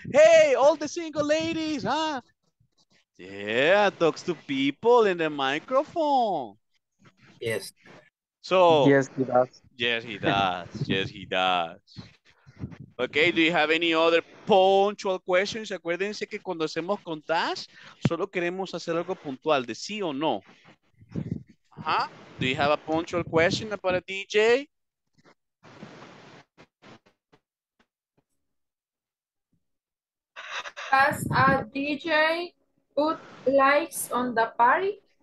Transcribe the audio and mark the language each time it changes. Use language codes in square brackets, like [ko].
[en] Hey, all the single ladies, huh?" Yeah, talks to people in the microphone. Yes. So. Yes, he does. Okay, do you have any other punctual questions? [es] Acuérdense que cuando hacemos con task, solo queremos hacer algo puntual, de sí o no. Uh-huh. [en] Do you have a punctual question about a DJ? Does a DJ put lights on the party?